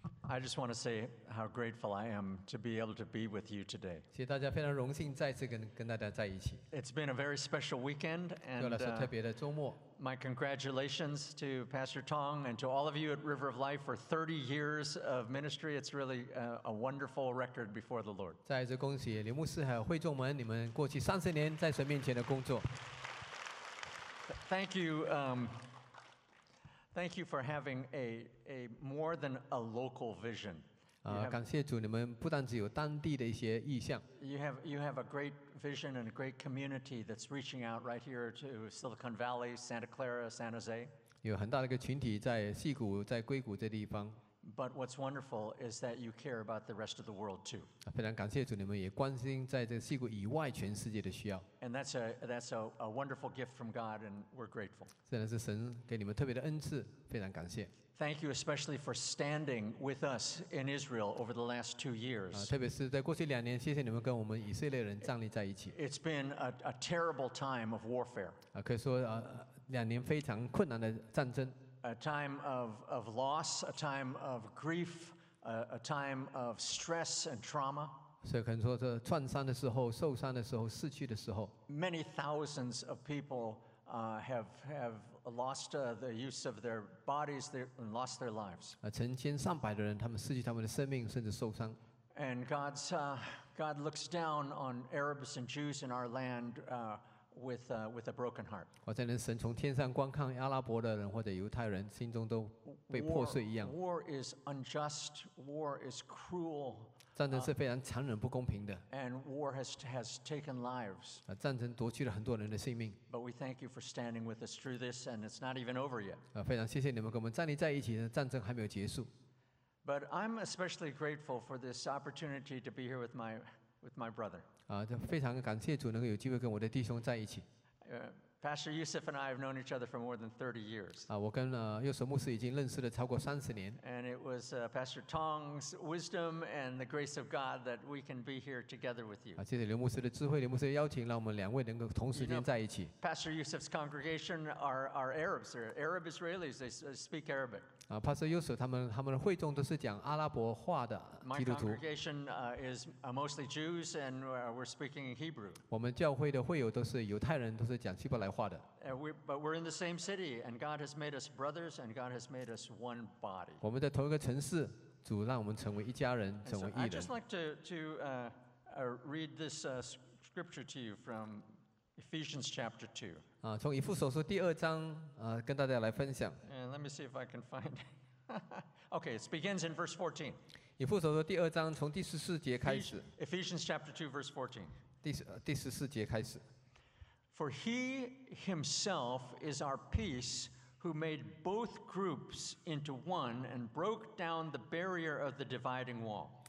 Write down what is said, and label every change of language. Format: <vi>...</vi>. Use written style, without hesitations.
<en>I just want to say how grateful I am to be able to be with you today.</en> <zh>谢谢大家，非常荣幸再次跟大家在一起。</zh> <en>It's been a very special weekend, and</en> <zh>对我来说特别的周末。</zh> <en>My congratulations to Pastor Tong and to all of you at River of Life for 30 years of ministry. It's really a wonderful record before the Lord.</en> <zh>再次恭喜林牧师和会众们，你们过去三十年在神面前的工作。</zh> <en>Thank you. Thank you for having a more than a local vision.</en> <zh>感谢主，你们不但只有当地的一些意向。</zh> <en>You have a great vision and a great community that's reaching out right here to Silicon Valley, Santa Clara, San Jose.</en> <zh>有很大的一个群体在矽谷，在硅谷这地方。</zh> <en>But what's wonderful is that you care about the rest of the world too.</en> <zh>非常感谢主，你们也关心在这矽谷以外全世界的需要。</zh> <en>And that's a wonderful gift from God, and we're grateful.</en> <zh>真的是神给你们特别的恩赐，非常感谢。</zh> <en>Thank you especially for standing with us in Israel over the last 2 years.</en> <zh>特别是在过去两年，谢谢你们跟我们以色列人站立在一起。</zh> <en>It's been a terrible time of warfare.</en> <zh>可以说两年非常困难的战争。</zh> <en>A time of loss, a time of grief, a time of stress and trauma.</en> <zh>所以可能说这创伤的时候、受伤的时候、失去的时候。</zh> <en>Many thousands of people have lost the use of their bodies and lost their lives.</en> <zh>成千上百的人，他们失去他们的生命，甚至受伤。</zh> <en>And God looks down on Arabs and Jews in our land. With a broken heart.</en> <zh>或者神从天上观看阿拉伯的人或者犹太人，心中都被破碎一样。</zh> <en>War is unjust. War is cruel.</en> <zh>战争是非常残忍、不公平的。</zh> <en>And war has taken lives.</en> <zh>战争夺去了很多人的性命。</zh> <en>But we thank you for standing with us through this, and it's not even over yet.</en> <zh>非常谢谢你们跟我们站立在一起，战争还没有结束。</zh> <en>But I'm especially grateful for this opportunity to be here with my brother.</en> <zh>非常感谢主能够有机会跟我的弟兄在一起。</zh> <en>Pastor Yusuf and I have known each other for more than 30 years.</en> <zh>我跟右手牧师已经认识了超过三十年。</zh> <en>And it was Pastor Tong's wisdom and the grace of God that we can be here together with you.</en> <zh>谢谢刘牧师的智慧，刘牧师的邀请，让我们两位能够同时间在一起。</zh> <en>You know, Pastor Yusuf's congregation are Arabs, they're Arab Israelis. They speak Arabic.</en> <zh>Pastor Yusuf 他们的会众都是讲阿拉伯话的基督徒。</zh> <en>My congregation is mostly Jews, and we're speaking Hebrew.</en> <zh>我们教会的会友都是犹太人，都是讲希伯来。</zh> <en>But we're in the same city, and God has made us brothers, and God has made us one body.</en> <zh>我们在同一个城市，主让我们成为一家人，成为一人。</zh> <en>I'd just like to read this scripture to you from Ephesians chapter 2.</en> <zh>从以弗所书第二章跟大家来分享。</zh> <en>And let me see if I can find. Okay, it begins in verse 14.</en> <zh>以弗所书第二章从第十四节开始。</zh> <en>Ephesians chapter 2, verse 14.</en> <zh>第十四节开始。</zh> <en>For he himself is our peace, who made both groups into one and broke down the barrier of the dividing wall.</en>